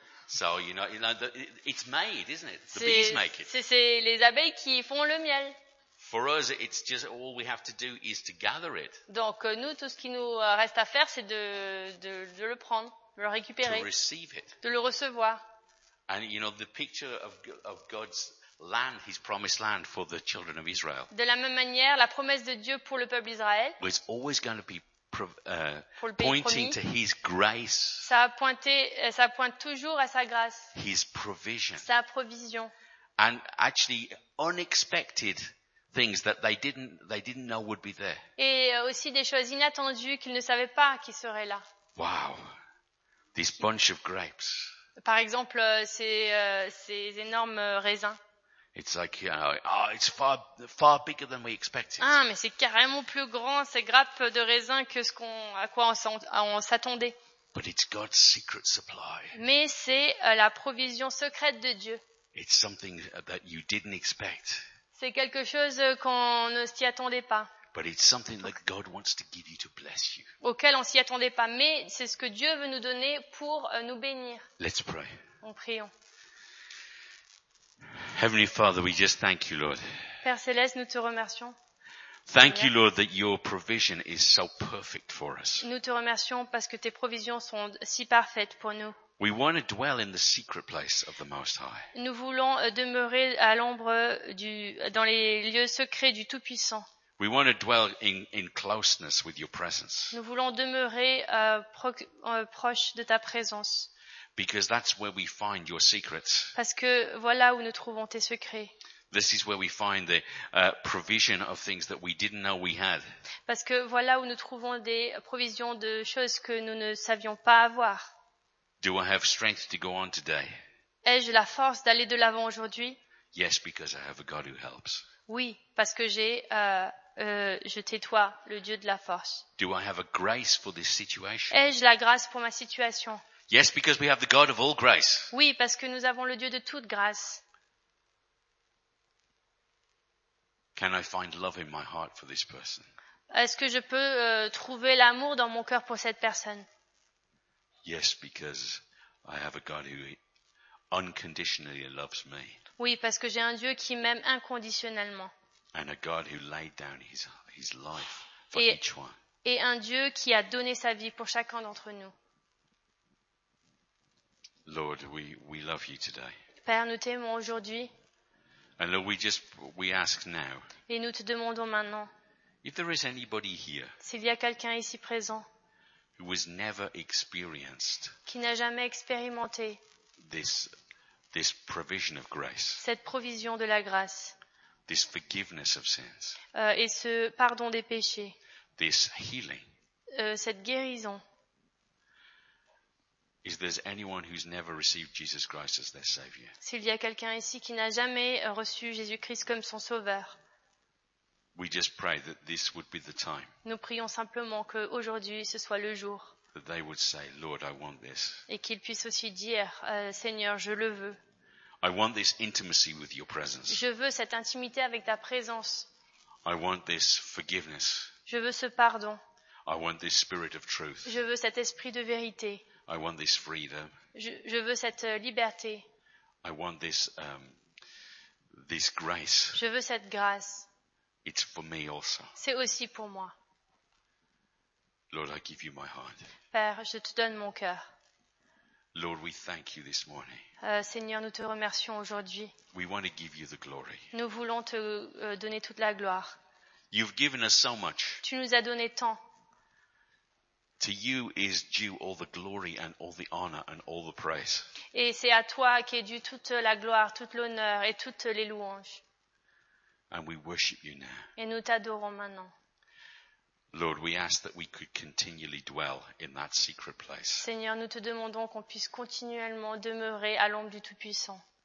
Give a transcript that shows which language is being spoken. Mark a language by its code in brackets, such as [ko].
[en] So you know it's made, isn't it? The bees make it. [fr] C'est les abeilles qui font le miel. [en] For us, it's just all we have to do is to gather it. [fr] Donc nous, tout ce qui nous reste à faire, c'est de le prendre, de le récupérer, [en] to receive it. [fr] De le recevoir. [en] And you know the picture of God's land, His promised land for the children of Israel. [fr] De la même manière, la promesse de Dieu pour le peuple d'Israël. [en] It's always going to be pointing to His grace. [fr] Ça pointe toujours à sa grâce. [en] His provision. [fr] Sa provision. [en] And actually, unexpected. Things that they didn't know would be there. [fr] Et aussi des choses inattendues qu'ils ne savaient pas qui seraient là. [en] Wow, this bunch of grapes. [fr] Par exemple, ces énormes raisins. [en] It's like, you know, it's far bigger than we expected. [fr] Ah, mais c'est carrément plus grand ces grappes de raisins que ce qu'on à quoi on s'attendait. [en] But it's God's secret supply. [fr] Mais c'est la provision secrète de Dieu. [en] It's something that you didn't expect. [fr] C'est quelque chose qu'on ne s'y attendait pas. [en] But it's something that God wants to give you to bless you. [fr] Auquel on s'y attendait pas, mais c'est ce que Dieu veut nous donner pour nous bénir. [en] Let's pray. [fr] On prions. [en] Heavenly Father, we just thank you, Lord. [fr] Père céleste, nous te remercions. [en] Thank you, Lord, that your provision is so perfect for us. [fr] Nous te remercions parce que tes provisions sont si parfaites pour nous. [en] We want to dwell in the secret place of the Most High. [fr] Nous voulons demeurer à l'ombre dans les lieux secrets du Tout-Puissant. [en] We want to dwell in closeness with your presence. [fr] Nous voulons demeurer proche de ta présence. [en] Because that's where we find your secrets. [fr] Parce que voilà où nous trouvons tes secrets. [en] This is where we find the provision of things that we didn't know we had. [fr] Parce que voilà où nous trouvons des provisions de choses que nous ne savions pas avoir. [en] Do I have strength to go on today? [fr] Ai-je la force d'aller de l'avant aujourd'hui? [en] Yes, because I have a God who helps. [fr] Oui, parce que je t'ai toi, le Dieu de la force. [en] Do I have a grace for this situation? [fr] Ai-je la grâce pour ma situation? [en] Yes, because we have the God of all grace. [fr] Oui, parce que nous avons le Dieu de toute grâce. [en] Can I find love in my heart for this person? [fr] Est-ce que je peux trouver l'amour dans mon cœur pour cette personne? [en] Yes, because I have a God who unconditionally loves me. [fr] Oui, parce que j'ai un Dieu qui m'aime inconditionnellement. [en] And a God who laid down his life for each one. [fr] Et un Dieu qui a donné sa vie pour chacun d'entre nous. [en] Lord, we love you today. [fr] Père, nous t'aimons aujourd'hui. [en] And Lord, we ask now. [fr] Et nous te demandons maintenant. [en] If there is anybody here. [fr] S'il y a quelqu'un ici présent. [en] Who has never experienced. [fr] Qui n'a jamais expérimenté. [en] This provision of grace. [fr] Cette provision de la grâce. [en] This forgiveness of sins. [fr] Et ce pardon des péchés. [en] This healing. [fr] Cette guérison. [en] Is there anyone who's never received Jesus Christ as their savior? [fr] S'il y a quelqu'un ici qui n'a jamais reçu Jésus-Christ comme son sauveur. [en] We just pray that this would be the time. [fr] Nous prions simplement que aujourd'hui ce soit le jour. [en] That they would say, Lord, I want this. [fr] Et qu'ils puissent aussi dire, Seigneur, je le veux. [en] I want this intimacy with your presence. [fr] Je veux cette intimité avec ta présence. [en] I want this forgiveness. [fr] Je veux ce pardon. [en] I want this spirit of truth. [fr] Je veux cet esprit de vérité. [en] I want this freedom. [fr] Je veux cette liberté. [en] I want this grace. [fr] Je veux cette grâce. [en] It's for me also. [fr] C'est aussi pour moi. [en] Lord, I give you my heart. [fr] Père, je te donne mon cœur. [en] Lord, we thank you this morning. [fr] Seigneur, nous te remercions aujourd'hui. [en] We want to give you the glory. [fr] Nous voulons te donner toute la gloire. [en] You've given us so much. [fr] Tu nous as donné tant. [en] To you is due all the glory and all the honor and all the praise. [fr] Et c'est à toi qu'est due toute la gloire, tout l'honneur et toutes les louanges. [en] And we worship you now. [fr] Et nous t'adorons maintenant. [en] Lord, we ask that we could continually dwell in that secret place. [fr] Seigneur, nous te demandons qu'on puisse continuellement demeurer à l'ombre du Tout-Puissant.